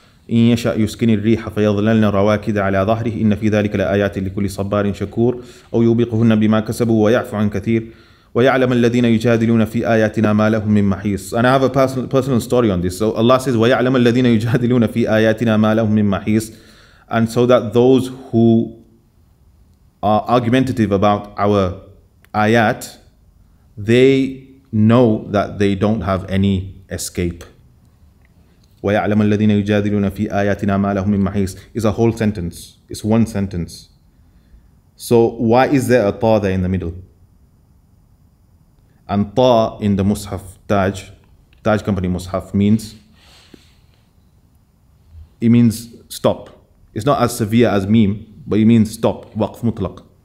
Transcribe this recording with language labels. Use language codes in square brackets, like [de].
[ar] إن يشأ يسكن الريح فيظللن رواكد على ظهره إن في ذلك لآيات لكل صبار شكور أو يوبقهن بما كسبوا ويعفو عن كثير ويعلم الذين يجادلون في آياتنا ما لهم من محيص. [en] And I have a personal story on this. So Allah says, [ar] ويعلم الذين يجادلون في آياتنا ما لهم من محيص. [en] And so that those who are argumentative about our ayat, they know that they don't have any escape. [ar] وَيَعْلَمَ الَّذِينَ يُجَادِلُونَ فِي آيَاتِنَا مَا لَهُمْ مِنْ مَحِيصٍ [en] is a whole sentence. It's one sentence. So why is there a ta there in the middle? And ta in the Mus'haf Taj Company Mus'haf means, it means stop. It's not as severe as meme, but it means stop, waqf mutlaq.